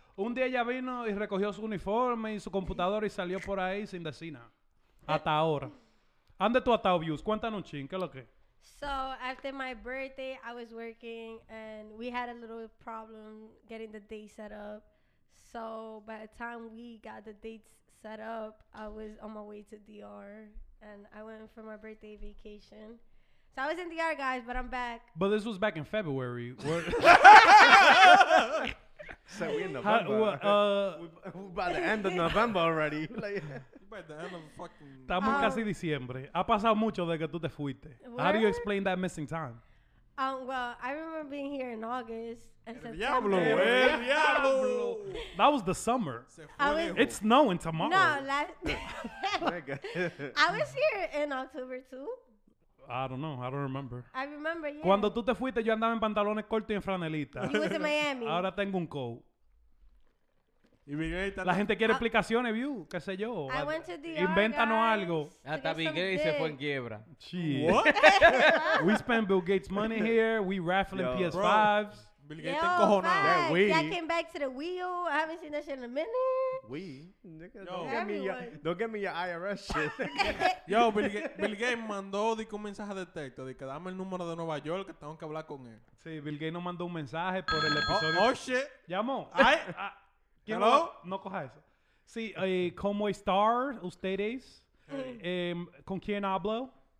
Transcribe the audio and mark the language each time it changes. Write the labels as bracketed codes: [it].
[es] Un día ella vino y recogió su uniforme y su computadora y salió por ahí sin decina. Hasta ahora. ¿Dónde tú has estado, Views? Cuéntanos un ching, ¿qué es lo que? [en] So, after my birthday, I was working and we had a little problem getting the date set up. So, by the time we got the dates set up, I was on my way to DR and I went for my birthday vacation. So I was in DR, guys, but I'm back. But this was back in February. So we're in November. We're by the end of November already. by the end of fucking... [es] Estamos casi diciembre. Ha pasado mucho desde que tú te fuiste. [en] How do you explain that missing time? Well, I remember being here in August. [es] Diablo, el diablo. [en] That was the summer. It's snowing tomorrow. No, last... I was here in October, too. I don't know. I don't remember. I remember, yeah. [es] Cuando tú te fuiste, yo andaba en pantalones cortos y en franelita. [en] You was in Miami. [es] Ahora tengo un coat. Y Big Gray está... La gente quiere explicaciones, view, qué sé yo. [en] I went to DR, [es] invéntanos algo. Hasta Big Gray se fue en quiebra. [en] Jeez. What? We spent Bill Gates' money here. We raffling yo, PS5s. Bro. [es] Bill Gates está encojonado. [en] Yeah, we. Yeah, I came back to the wheel. I haven't seen that shit in a minute. We? Nigga, yo, don't get me your IRS shit. [es] Yo, Bill Gates mandó un mensaje de texto. Dice, dame el número de Nueva York, que tengo que hablar con él. Sí, Bill Gates nos mandó un mensaje por el episodio. [en] Oh shit. [es] Llamó. Ay, hello? No coja eso. Sí, ¿cómo están ustedes? ¿Con quién hablo?